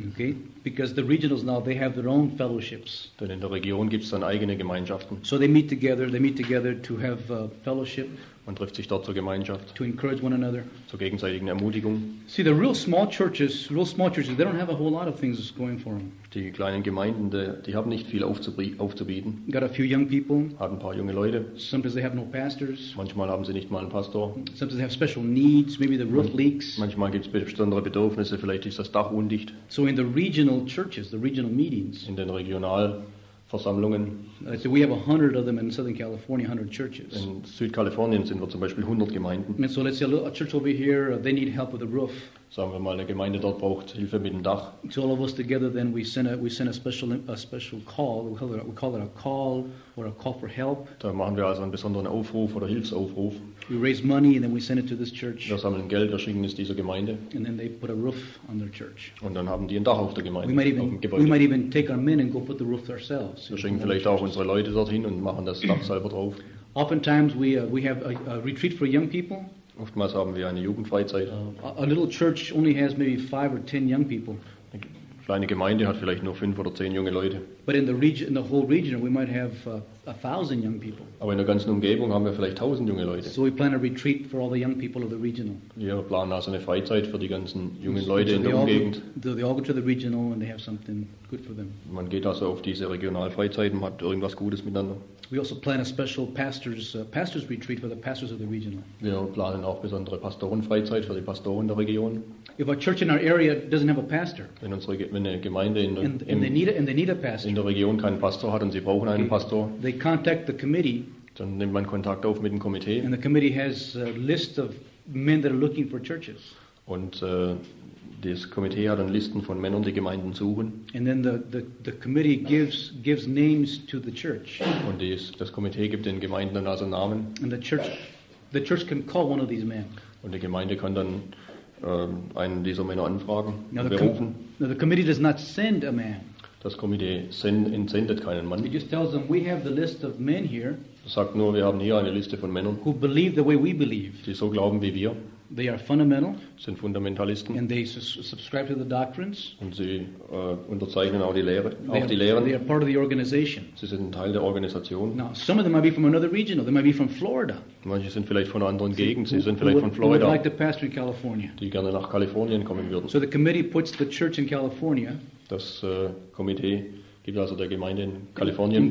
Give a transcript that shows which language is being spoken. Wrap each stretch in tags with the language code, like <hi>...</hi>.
<en>Okay, because the regionals now they have their own fellowships.</en> <de>Denn in der Region gibt es dann eigene Gemeinschaften.</de> <en>So they meet together to have a fellowship.</en> <de>Man trifft sich dort zur Gemeinschaft.</de> <en>To encourage one another.</en> <de>Zur gegenseitigen Ermutigung.</de> <en>See, the real small churches, they don't have a whole lot of things going for them.</en> <de>Die kleinen Gemeinden, die haben nicht viel aufzubieten.</de> <en>Got a few young people.</en> <de>Haben ein paar junge Leute.</de> <en>Sometimes they have no pastors.</en> <de>Manchmal haben sie nicht mal einen Pastor.</de> <en>Sometimes they have special needs, maybe the roof leaks.</en> <de>Manchmal gibt es besondere Bedürfnisse, vielleicht ist das Dach undicht.</de> <en>So in the regional churches, the regional meetings.</en> <de>In den Regional Versammlungen.</de> <en>I said, we have 100 of them in Southern California, 100 churches.</en> <de>In Südkalifornien sind wir zum Beispiel 100 Gemeinden.</de> <en>And so let's say a church over here, they need help with the roof.</en> <de>Sagen wir mal, eine Gemeinde dort braucht Hilfe mit dem Dach.</de> <en>So all of us together, then we send a special call. We call it a call or a call for help.</en> <de>Da machen wir also einen besonderen Aufruf oder Hilfsaufruf.</de> <en>We raise money and then we send it to this church.</en> <de>Wir sammeln Geld, wir schicken es dieser Gemeinde.</de> <en>And then they put a roof on their church.</en> <de>Und dann haben die ein Dach auf der Gemeinde.</de> <en>We might even take our men and go put the roof ourselves.</en> <de>Wir schicken vielleicht auch unsere Leute dorthin und machen das Dach selber drauf.</de> <en>Oftentimes we have a retreat for young people.</en> <de>Oftmals haben wir eine Jugendfreizeit.</de> <en>A little church only has maybe 5 or 10 young people.</en> <de>Eine kleine Gemeinde hat vielleicht nur 5 oder 10 junge Leute.</de> <en>But in the whole region we might have 1,000 young people.</en> <de>Aber in der ganzen Umgebung haben wir vielleicht 1,000 junge Leute.</de> <en>So we plan a retreat for all the young people of the regional.</en> <de>Wir planen also eine Freizeit für die ganzen jungen Leute in der Umgegend.</de> <en>They all go to the regional and they have something good for them.</en> <de>Man geht also auf diese Regionalfreizeit und hat irgendwas Gutes miteinander.</de> <en>We also plan a special pastors retreat for the pastors of the regional.</en> <de>Wir planen auch besondere Pastorenfreizeit für die Pastoren der Region.</de> <en>If a church in our area doesn't have a pastor,</en> <de>wenn eine Gemeinde in der Region in der Region keinen Pastor hat und sie brauchen einen Pastor,</de> <en>they contact the committee.</en> <de>Dann nimmt man Kontakt auf mit dem Komitee.</de> <en>And the committee has a list of men that are looking for churches.</en> <de>Und das Komitee hat dann Listen von Männern, die Gemeinden suchen.</de> <en>And then the committee gives names to the church.</en> <de>Und das Komitee gibt den Gemeinden dann also Namen.</de> <en>And the church can call one of these men.</en> <de>Und die Gemeinde kann dann einen dieser Männer anfragen, berufen.</de> <en>Now the committee does not send a man.</en> <de>Das Komitee entsendet keinen Mann.</de> <en>It just tells them, we have the list of men here.</en> <de>Das sagt nur, wir haben hier eine Liste von Männern,</de> <en>who believe the way we believe.</en> <de>Die so glauben wie wir.</de> <en>They are fundamental.</en> <de>Sind Fundamentalisten.</de> <en>And they subscribe to the doctrines.</en> <de>Und sie unterzeichnen auch die Lehre, auch die Lehren.</de> <en>They are part of the organization.</en> <de>Sie sind ein Teil der Organisation.</de> <en>Now, some of them might be from another region. They might be from Florida.</en> <de>Manche sind vielleicht von einer anderen Gegend. Sie sind vielleicht von Florida.</de> <en>Would like to pastor in California.</en> <de>Die gerne nach Kalifornien kommen würden.</de> <en>So the committee puts the church in California.</en> <de>Das Komitee gibt also der Gemeinde in Kalifornien.</de>